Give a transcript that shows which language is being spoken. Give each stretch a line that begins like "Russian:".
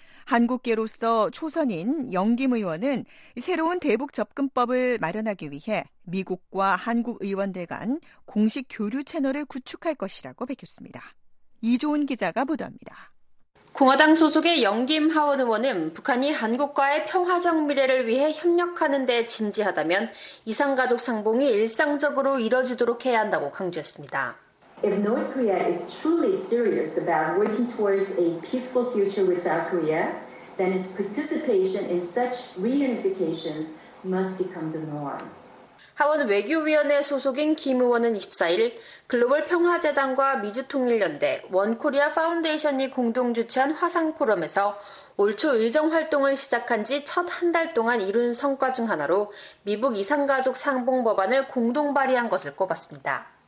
Korean: 한국계로서 초선인 영김 의원은 새로운 대북 접근법을 마련하기 위해 미국과 한국 의원들 간 공식 교류 채널을 구축할 것이라고 밝혔습니다. 이조은 기자가 보도합니다. 공화당 소속의 영김 하원 의원은 북한이 한국과의 평화적 미래를 위해 협력하는 데 진지하다면 이산가족 상봉이 일상적으로 이뤄지도록 해야 한다고 강조했습니다.
English: If North Korea is truly serious about working towards a peaceful future with South Korea, then its participation in such reunifications must become the norm.
Korean: 하원 외교위원회 소속인 김 의원은 24일 글로벌 평화재단과 미주통일연대, 원코리아 파운데이션이 공동 주최한 화상 포럼에서 올 초 의정 활동을 시작한 지 첫 한 달 동안 이룬 성과 중 하나로 미북 이산가족 상봉 법안을 공동 발의한 것을 꼽았습니다.